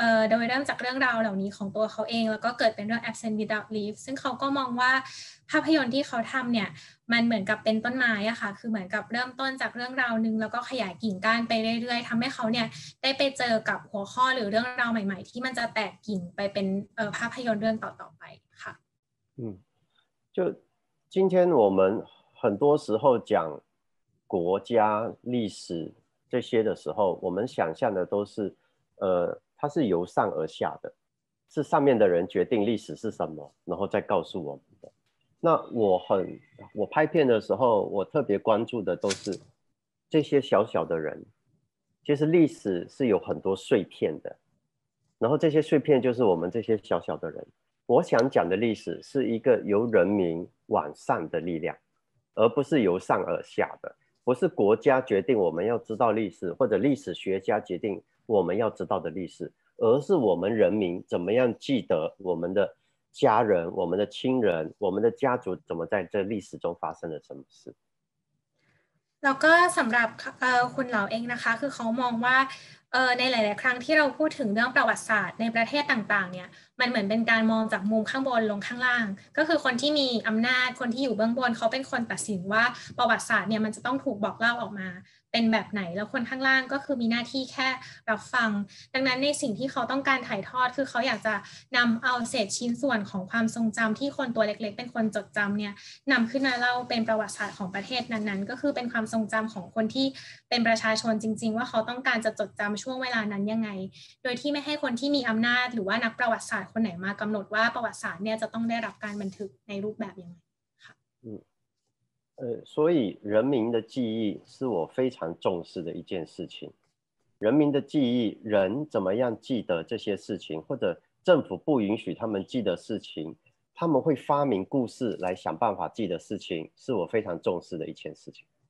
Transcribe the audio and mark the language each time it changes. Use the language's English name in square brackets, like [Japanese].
[Thai] โดยเริ่มจากเรื่องราวเหล่านี้ของตัวเขาเองแล้วก็เกิดเป็นเรื่อง Absent Without Leave ซึ่งเขาก็มองว่าภาพยนตร์ที่เขาทำเนี่ยมันเหมือนกับเป็นต้นไม้อะค่ะคือเหมือนกับเริ่มต้นจากเรื่องราวนึงแล้วก็ขยายกิ่งก้านไปเรื่อยๆทำให้เขาเนี่ยได้ไปเจอกับหัวข้อหรือเรื่องราวใหม่ๆที่มันจะแตกกิ่งไปเป็นภาพยนตร์เรื่องต่อๆไปค่ะ [Chinese] 就今天我们很多时候讲国家历史这些的时候我们想象的都是它是由上而下的是上面的人决定历史是什么然后再告诉我们的那我拍片的时候我特别关注的都是这些小小的人其实历史是有很多碎片的然后这些碎片就是我们这些小小的人我想讲的历史是一个由人民往上的力量而不是由上而下的不是国家决定我们要知道历史或者历史学家决定我们要知道的历史而是我们人民怎么样记得我们的家人我们的亲人我们的家族怎么在这历史中发生了什么事 [Thai] แล้วก็สำหรับคุณเหล่าเองนะคะคือเขามองว่าในหลายๆครั้งที่เราพูดถึงเรื่องประวัติศาสตร์ในประเทศต่างๆเนี่ยมันเหมือนเป็นการมองจากมุมข้างบนลงข้างล่างก็คือคนที่มีอำนาจคนที่อยู่เบื้องบนเขาเป็นคนตัดสินว่าประวัติศาสตร์เนี่ยมันจะต้องถูกบอกเล่าออกมา เป็นแบบไหนแล้วคนข้างล่างก็คือมีหน้าที่แค่รับฟังดังนั้นในสิ่งที่เขาต้องการถ่ายทอดคือเขาอยากจะนำเอาเศษชิ้นส่วนของความทรงจำที่คนตัวเล็กๆเป็นคนจดจำเนี่ยนำขึ้นมาเล่าเป็นประวัติศาสตร์ของประเทศนั้นๆก็คือเป็นความทรงจำของคนที่เป็นประชาชนจริงๆว่าเขาต้องการจะจดจำช่วงเวลานั้นยังไงโดยที่ไม่ให้คนที่มีอำนาจหรือว่านักประวัติศาสตร์คนไหนมากำหนดว่าประวัติศาสตร์เนี่ยจะต้องได้รับการบันทึกในรูปแบบยังไงค่ะ [Chinese] 所以人民的记忆是我非常重视的一件事情。人民的记忆，人怎么样记得这些事情，或者政府不允许他们记得事情，他们会发明故事来想办法记得事情，是我非常重视的一件事情。